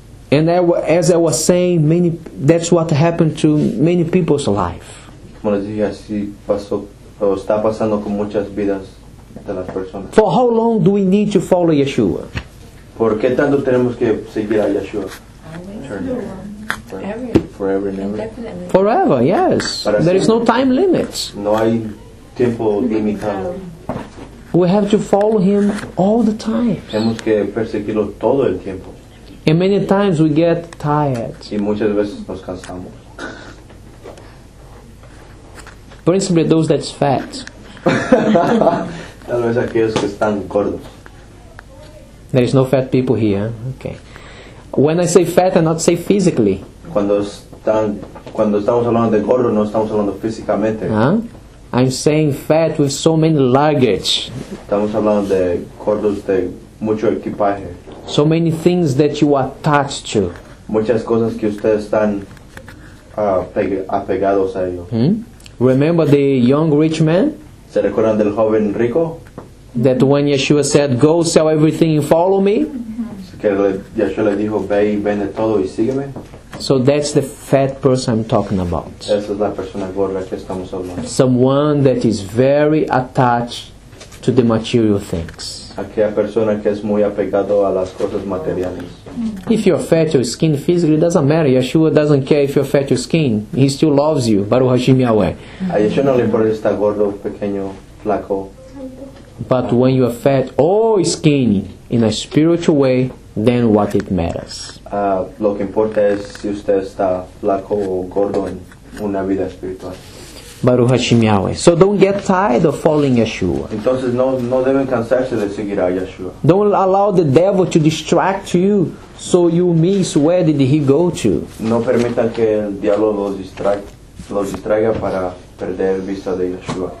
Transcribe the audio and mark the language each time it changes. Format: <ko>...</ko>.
<en>And as I was saying, that's what happened to many people's life.</en> <es>Como les dije, así pasó. Está pasando con muchas vidas de las personas.</es> <en>For how long do we need to follow Yeshua?</en> <es>¿Por qué tanto tenemos que seguir a Yeshua?</es> <en>Forever and ever. Forever, yes. There is no time limit.</en> <es>No hay tiempo limitado.</es> <en>We have to follow him all the time.</en> <es>Tenemos que perseguirlo todo el tiempo.</es> <en>And many times we get tired.</en> <es>Y muchas veces nos cansamos.</es> <en>Principally those that's fat.</en> <es>Tal vez aquellos que están gordos.</es> <en>There is no fat people here. Okay. When I say fat, I not say physically.</en> <es>Cuando estamos hablando de gordo, no estamos hablando físicamente.</es> <en>I'm saying fat with so many luggage.</en> <es>Estamos hablando de gordos de mucho equipaje.</es> <en>So many things that you are attached to.</en> <es>Muchas cosas que ustedes están apegados a ello.</es> <en>Remember the young rich man?</en> <es>¿Se recuerdan del joven rico?</es> <en>That when Yeshua said, go sell everything and follow me.</en> <es>Que Yeshua le dijo, ve y vende todo y sígueme.</es> <en>So that's the fat person I'm talking about.</en> <es>Esa es la persona gorda que estamos hablando.</es> <en>Someone that is very attached to the material things.</en> <es>Aquella persona que es muy apegado a las cosas materiales.</es> <en>If you're fat, your skin physically, it doesn't matter. Yeshua doesn't care if you're fat, your skin. He still loves you.</en> <he>Baruch Hashem Yahweh.</he> <es>A Yeshua no le importa estar gordo, pequeño, flaco.</es> <en>But when you are fat or skinny, in a spiritual way, then what it matters.</en> <es>Lo que importa es si usted está flaco o gordo en una vida espiritual.</es> <he>Baruch Hashem Yahweh.</he> <en>So don't get tired of following Yeshua.</en> <es>Entonces no deben cansarse de seguir a Yeshua.</es> <en>Don't allow the devil to distract you so you miss where did he go to.</en> <es>No permita que el diablo los distraiga para perder vista de Yeshua.</es>